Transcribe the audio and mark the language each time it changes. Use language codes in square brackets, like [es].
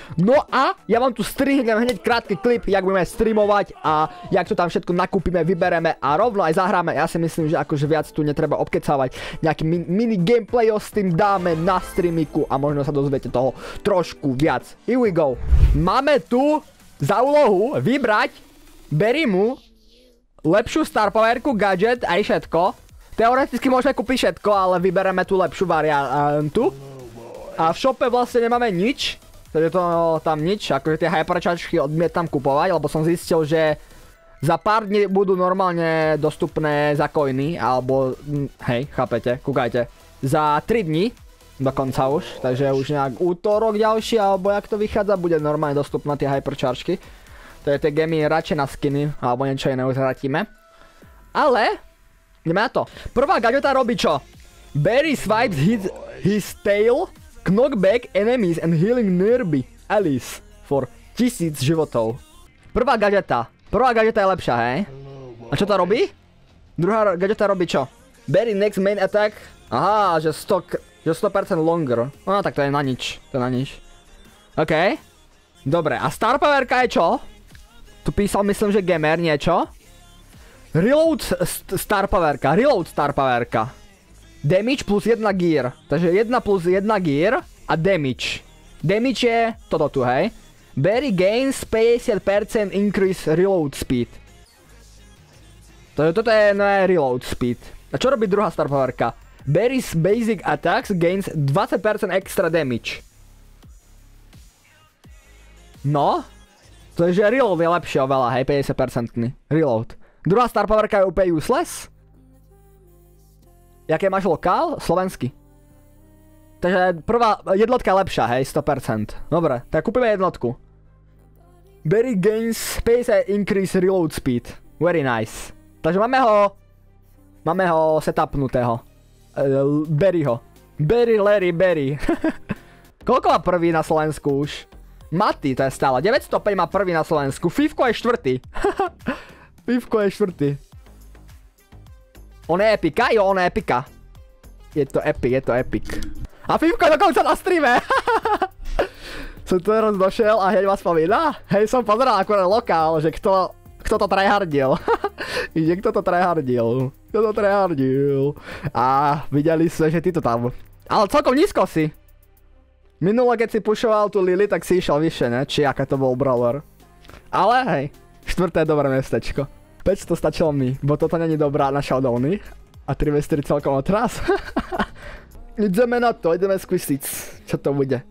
[sk] No a ja vám tu strihnem hneď krátky klip, jak budeme streamovať a jak to tam všetko nakúpime, vybereme a rovno aj zahráme. Ja si myslím, že akože viac tu netreba obkecávať. Nejaký mini gameplay s tým dáme na streamiku a možno sa dozviete toho trošku viac. [en] Here we go! [sk] Máme tu za úlohu vybrať Barrymu lepšiu star powerku, gadget aj všetko. Teoreticky môžeme kúpiť všetko, ale vybereme tú lepšiu variantu. A v shope vlastne nemáme nič. Takže to tam nič, akože tie hyperčačky odmietam kupovať, lebo som zistil, že za pár dní budú normálne dostupné za coiny, alebo hej, chápete, kúkajte. Za 3 dní, dokonca už, takže už nejak útorok ďalší, alebo jak to vychádza, bude normálne dostupné tie hyperčačky. To je tie gemy radšej na skiny, alebo niečo iné uzratíme. Ale ideme na to. Prvá gadgeta robí čo? [en] Barry swipes his tail, knock back enemies and healing nearby allies for [sk] 1000 životov. Prvá gadgeta. Prvá gadgeta je lepšia, hej? A čo to robí? Druhá gadgeta robí čo? [en] Barry next main attack. [sk] Aha, že 100% longer. No tak to je na nič. To je na nič. OK. Dobre, a star powerka je čo? Tu písal myslím, že gamer niečo. Reload star powerka, reload star powerka. Damage plus 1 gear. Takže 1 plus 1 gear a damage. Damage je toto tu, hej. [en] Barry gains 50% increase reload speed. [sk] Takže toto je nové reload speed. A čo robí druhá star powerka? [en] Barry's basic attacks gains 20% extra damage. No. [sk] Takže reload je lepšie oveľa, hej, 50% reload. Druhá star powerka je úplne useless. Jaké máš lokál? Slovenský. Takže prvá jednotka je lepšia, hej, 100%. Dobre, tak kúpime jednotku. [en] Barry gains 50 increase reload speed. Very nice. [sk] Takže máme ho. Máme ho setupnutého. Barryho. Barry, Larry, Barry. Koľko má prvý na Slovensku už? Maty, to je stále. 905 má prvý na Slovensku. Fifko je štvrtý. Pivko je štvrtý. On je epika? Jo, on je epika. Je to epic, je to epic. A Pivko dokonca na streame. Som to teraz došiel a hneď vás spomína. Hej, som pozeral akurát lokál, že kto to tryhardil. Že kto to tryhardil. Kto to tryhardil. A videli sme, že ty to tam. Ale celkom nízko si. Minule, keď si pušoval tú Lily, tak si išiel vyššie, ne? Či aká to bol brawler. Ale hej. Štvrté dobré mestečko. 500 stačilo mi, bo toto není dobrá na showdowny. A 3 vs 3 celkom otras. Ideme na to, ideme skúsiť, čo to bude.